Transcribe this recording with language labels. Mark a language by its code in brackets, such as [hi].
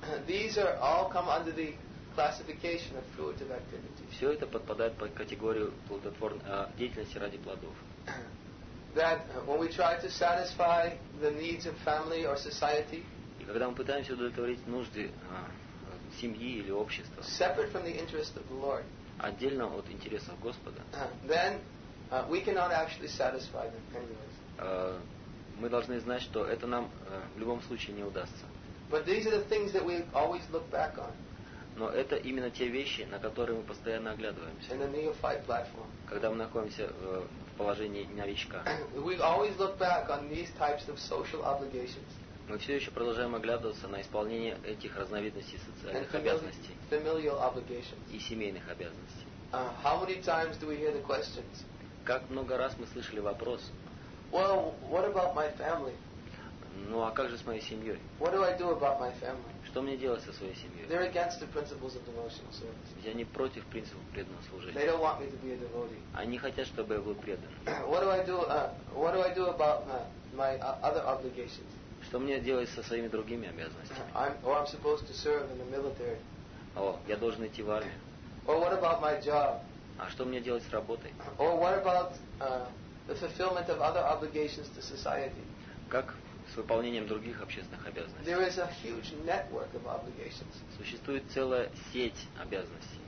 [en] These are all come under the classification of fruitive activities. [ru] Все это подпадает под категорию деятельности ради плодов. [en] That when we try to satisfy the needs of family or society, [ru] и когда мы пытаемся удовлетворить нужды семьи или общества, [en] separate from the interest of the Lord, [ru] отдельно от интересов Господа, [en] then we cannot actually satisfy them anyways. [ru] Мы должны знать, что это нам в любом случае не удастся. [en] But these are the things that we always look back on. [ru] Но это именно те вещи, на которые мы постоянно оглядываемся. Когда мы находимся в положении новичка. [en] We always look back on these types of social obligations. [ru] Мы все еще продолжаем оглядываться на исполнение этих разновидностей социальных обязанностей. [en] Familial obligations. [ru] И семейных обязанностей. [en] How many times do we hear the questions? [ru] Как много раз мы слышали вопрос? [en] Well, what about my family? [ru] Ну а как же с моей семьей? [en] What do I do about my family? [ru] Что мне делать со своей семьей? [en] They're against the principles of devotional service. [ru] Я не против принципов преданного служения. [en] They don't want me to be a devotee. [ru] Они хотят, чтобы я был предан. [en] What do I do about my other obligations? [ru] Что мне делать со своими другими обязанностями? [en] I'm supposed to serve in the military. [ru] О, я должен идти в армию. [en] Or what about my job? [ru] А что мне делать с работой? [en] Or what about the fulfillment of other obligations to society? [ru] Как с выполнением других общественных обязанностей? [en] There is a huge network of obligations. [ru] Существует целая сеть обязанностей.